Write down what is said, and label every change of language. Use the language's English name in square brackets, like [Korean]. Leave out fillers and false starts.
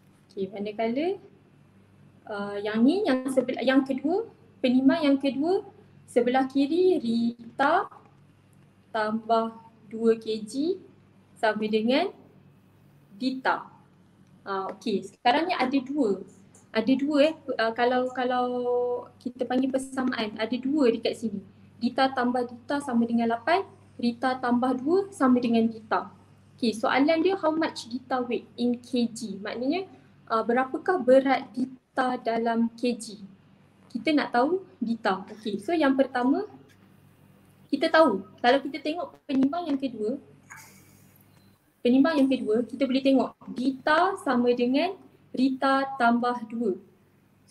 [Malay] Okey, manakala yang ni yang sebelah yang kedua, penimbang yang kedua sebelah kiri Rita tambah 2 kg sama dengan Dita. Okey, sekarang ni ada dua. Ada dua kalau kita panggil persamaan, ada dua dekat sini. Dita tambah Dita sama dengan 8. Rita tambah 2 sama dengan Dita. [English] Okay, [Malay] soalan dia [English] how much Dita weigh in kg? [Malay] Maknanya berapakah berat Dita dalam kg? Kita nak tahu Dita. Okay, so yang pertama kita tahu kalau kita tengok penimbang yang kedua kita boleh tengok Dita sama dengan Rita tambah 2.